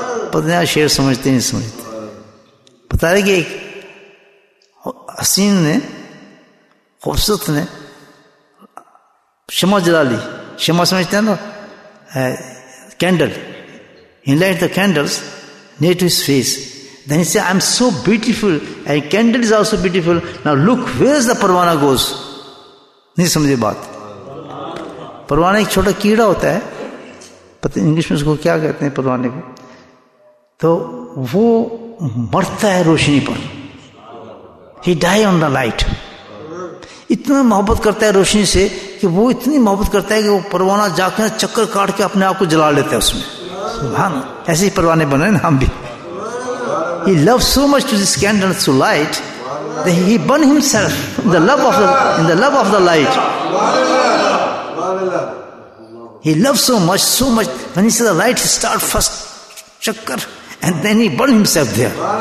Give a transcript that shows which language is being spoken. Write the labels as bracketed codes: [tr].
[ur] پتہ نہیں شعر سمجھتے نہیں سمجھتے. بتا رہے کہ ایک حسین نے خوبصورت نے شمع جلا لی. شمع سمجھتے ہیں نا candle. [en] He light the candles near to his face. Then he said, I'm so beautiful and candle is also beautiful. Now look, where is the parwana goes? [ur] نہیں سمجھے بات. پروانہ ایک چھوٹا کیڑا ہوتا ہے, پتہ انگلش میں اس کو کیا کہتے ہیں پروانے کو, تو وہ مرتا ہے روشنی پر. [en] He die on the light. [ur] اتنا محبت کرتا ہے روشنی سے کہ وہ اتنی محبت کرتا ہے کہ وہ پروانہ جا کے چکر کاٹ کے اپنے آپ کو جلا لیتا ہے اس میں. سبحان, ایسے ہی پروانے بنے نا ہم بھی. [en] He loves so much to this candle, so light, that he burn himself in the love of the light. He loves so much. When he sees the light, he start first chakkar and then he burn himself there.